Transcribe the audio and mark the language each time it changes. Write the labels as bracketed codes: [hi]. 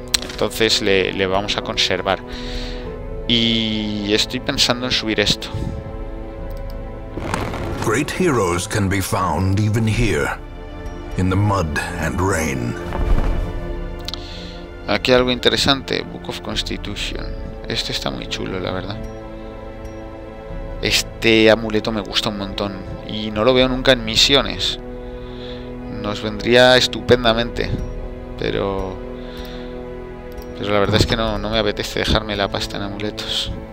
[es] Entonces le vamos a conservar. Y estoy pensando en subir esto. [en] Great heroes can be found even here, in the mud and rain. [es] Aquí hay algo interesante, Book of Constitution. Este está muy chulo, la verdad. Este amuleto me gusta un montón y no lo veo nunca en misiones. Nos vendría estupendamente, pero la verdad es que no me apetece dejarme la pasta en amuletos.